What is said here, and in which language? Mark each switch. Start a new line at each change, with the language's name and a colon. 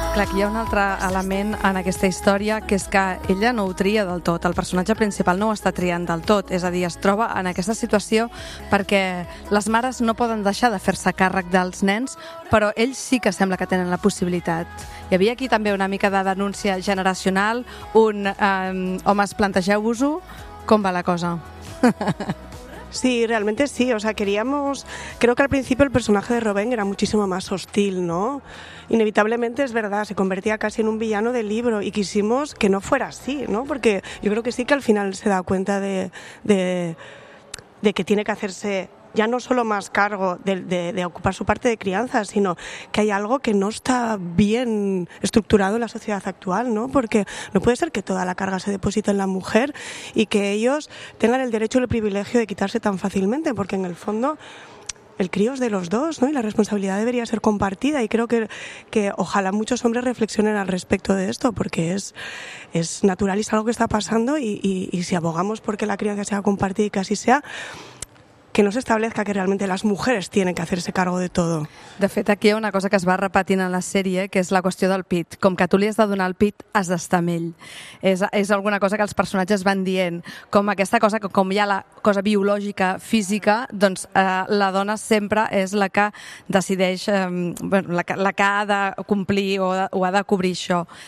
Catalan: Hi ha un altre element en aquesta història, que és que ella no ho tria del tot, el personatge principal no ho està triant del tot, és a dir, es troba en aquesta situació perquè les mares no poden deixar de fer-se càrrec dels nens, però ells sí que sembla que tenen la possibilitat. Hi havia aquí també una mica de denúncia generacional, un homes, plantegeu-vos-ho, com va la cosa?
Spanish: Sí, realmente sí, o sea, queríamos, creo que al principio el personaje de Robén era muchísimo más hostil, ¿no? Inevitablemente es verdad, se convertía casi en un villano del libro y quisimos que no fuera así, ¿no? Porque yo creo que sí que al final se da cuenta de que tiene que hacerse ya no solo más cargo de ocupar su parte de crianza, sino que hay algo que no está bien estructurado en la sociedad actual, ¿no? Porque no puede ser que toda la carga se deposite en la mujer y que ellos tengan el derecho y el privilegio de quitarse tan fácilmente, porque en el fondo el crío es de los dos, ¿no? Y la responsabilidad debería ser compartida, y creo que ojalá muchos hombres reflexionen al respecto de esto, porque es natural y es algo que está pasando, y si abogamos porque la crianza sea compartida y que así sea, que no s'establezca que
Catalan: realment les mujeres tenen que fer-se cargo de tot. De fet, aquí hi ha una cosa que es va repetint en la sèrie, que és la qüestió del pit. Com que tu li has de donar el pit, has d'estar amb ell. És alguna cosa que els personatges van dient. Com aquesta cosa, com hi ha la cosa biològica, física, doncs la dona sempre és la que decideix, la que ha de complir o ha de cobrir això.